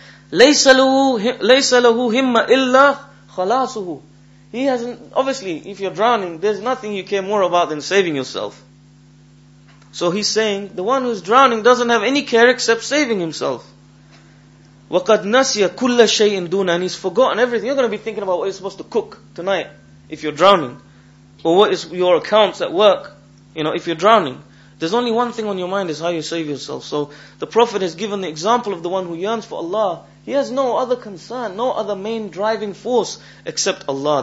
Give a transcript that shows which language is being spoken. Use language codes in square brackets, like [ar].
[ar] لَيْسَ لَهُ هِمَّ إِلَّا خَلَاصُهُ. [en] He hasn't, obviously, if you're drowning, there's nothing you care more about than saving yourself. So he's saying, the one who's drowning doesn't have any care except saving himself. [ar] وَقَدْ نَسِيَ كُلَّ شَيْءٍ دُونَ [en] And he's forgotten everything. You're going to be thinking about what you're supposed to cook tonight if you're drowning. Or what is your accounts at work, you know, if you're drowning. There's only one thing on your mind, is how you save yourself. So the Prophet has given the example of the one who yearns for Allah. He has no other concern, no other main driving force except Allah.